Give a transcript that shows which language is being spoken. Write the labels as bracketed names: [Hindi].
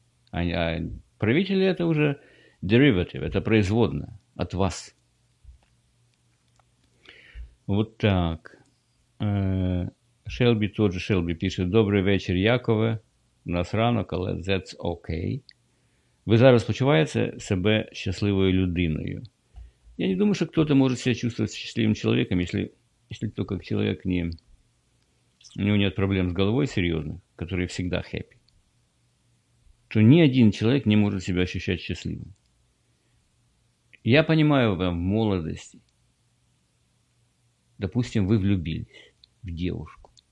[Russian] А правители – это уже derivative, это производное от вас. Вот так. Шелби, тот же Шелби пишет: «Добрый вечер, Якове. [Ukrainian] У нас ранок, але [English] that's okay. [Ukrainian] Ви зараз почуваєте себе щасливою людиною?» [Russian] Я не думаю, что кто-то может себя чувствовать счастливым человеком, если только человек не... У него нет проблем с головой серьезных, которые всегда happy. То ни один человек не может себя ощущать счастливым. Я понимаю, вам в молодости, допустим, вы влюбились в девушку.